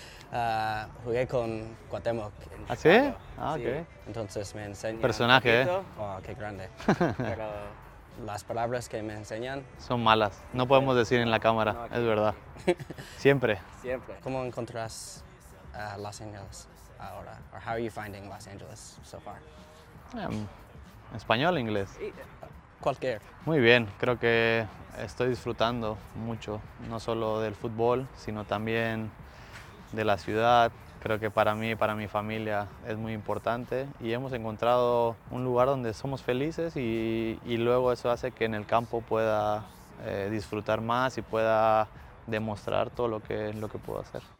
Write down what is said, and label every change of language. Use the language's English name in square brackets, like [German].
[English] Spanglish. [Spanish] Jugué con Cuauhtémoc en Chicago. ¿Ah, sí? Ah, ok. Sí. Entonces me enseñan. Personaje. Oh, qué grande. Pero las palabras que me enseñan son malas. No podemos decir en la cámara, no, es verdad. Siempre. Siempre. ¿Cómo encontras Los Angeles ahora? [English] Or how are you finding Los Angeles so far? [Spanish] Español, inglés. cualquier. Muy bien, creo que estoy disfrutando mucho, no solo del fútbol, sino también de la ciudad. Creo que para mí y para mi familia es muy importante y hemos encontrado un lugar donde somos felices y luego eso hace que en el campo pueda disfrutar más y pueda demostrar todo lo que puedo hacer.